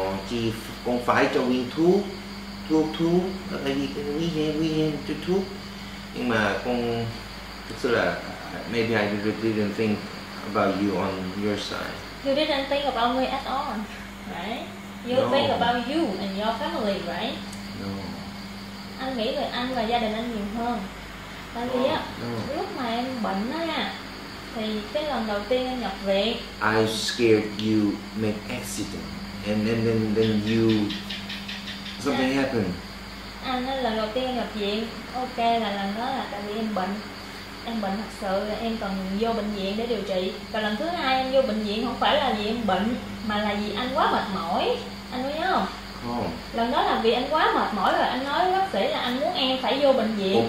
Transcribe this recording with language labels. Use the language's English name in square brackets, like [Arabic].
[Vietnamese] chỉ con phải cho Nguyên thuốc là tại vì cái nguy hiểm cho thuốc nhưng mà con thực sự là [English] maybe I didn't thinkabout you on your side. You didn't think about me at all, right? You think about you and your family, right? No. [Vietnamese] Anh nghĩ về anh và gia đình anh nhiều hơn. Tại vì lúc mà em bệnh á, thì cái lần đầu tiên em nhập viện. [English] I scared you make accident, and then you something happened. [Vietnamese] Anh nói lần đầu tiên em nhập viện, ok là lần đó là tại vì em bệnh thật sự là em cần vô bệnh viện để điều trị. Và lần thứ hai em vô bệnh viện không phải là vì em bệnh mà là vì anh quá mệt mỏi, anh nhớ không? Không. Lần đó là vì anh quá mệt mỏi rồi anh nói với bác sĩ là anh muốn em phải vô bệnh viện.